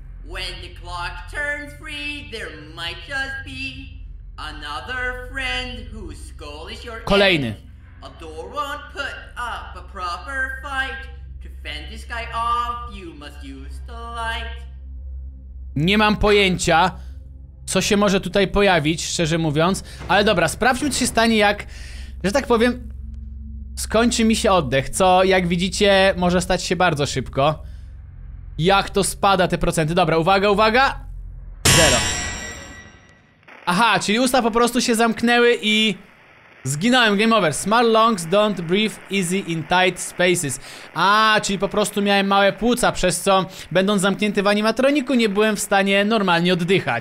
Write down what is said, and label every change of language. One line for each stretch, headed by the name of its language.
English: When the clock turns free, there might just be another friend whose skull is your
Polish: kolejny.
English: A door won't put up a proper fight. To fend this guy off, you must use the light.
Polish: Nie mam pojęcia, co się może tutaj pojawić, szczerze mówiąc. Ale dobra, sprawdźmy, co się stanie, jak, że tak powiem, skończy mi się oddech, co jak widzicie może stać się bardzo szybko. Jak to spada te procenty? Dobra, uwaga, uwaga. Zero. Aha, czyli usta po prostu się zamknęły i zginąłem,
English: game over. Smart lungs don't breathe easy in tight spaces.
Polish: A, czyli po prostu miałem małe płuca, przez co będąc zamknięty w animatroniku nie byłem w stanie normalnie oddychać.